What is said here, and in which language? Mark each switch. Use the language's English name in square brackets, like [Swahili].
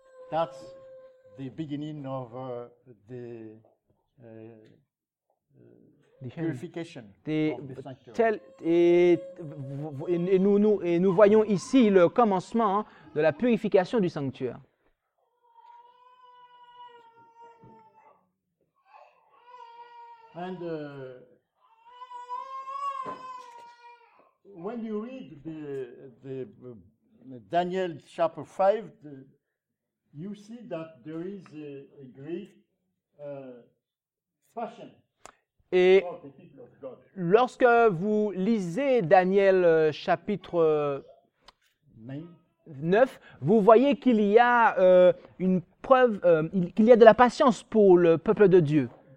[English] That's the beginning of the purification of the sanctuary. [French] Et nous voyons ici le commencement de la purification du sanctuaire. [English] And when you read the Daniel chapter 5, you see that there is a great passion [French] Et [English] for the people of God. [French] Lorsque vous lisez Daniel chapitre 9, vous voyez qu'il y a une preuve, qu'il y a de la patience pour le peuple de Dieu.